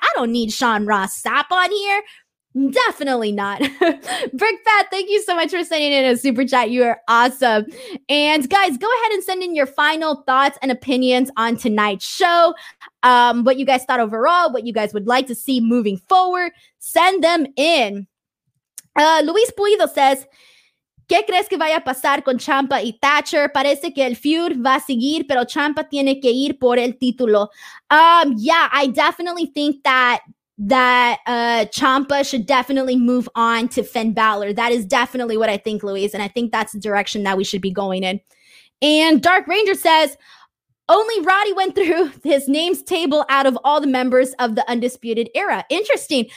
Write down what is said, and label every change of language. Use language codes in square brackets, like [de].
[en] I don't need Sean Ross Sapp on here. Definitely not. Brick Pat, thank you so much for sending in a super chat. You are awesome. And guys, go ahead and send in your final thoughts and opinions on tonight's show. What you guys thought overall, what you guys would like to see moving forward, send them in. [es] Luis Pulido says, ¿Qué crees que vaya a pasar con Ciampa y Thatcher? Parece que el feud va a seguir, pero Ciampa tiene que ir por el título. [en] Yeah, I definitely think that Ciampa should definitely move on to Finn Balor. That is definitely what I think, Luis, and I think that's the direction that we should be going in. And Dark Ranger says, only Roddy went through his names table out of all the members of the Undisputed Era. Interesting.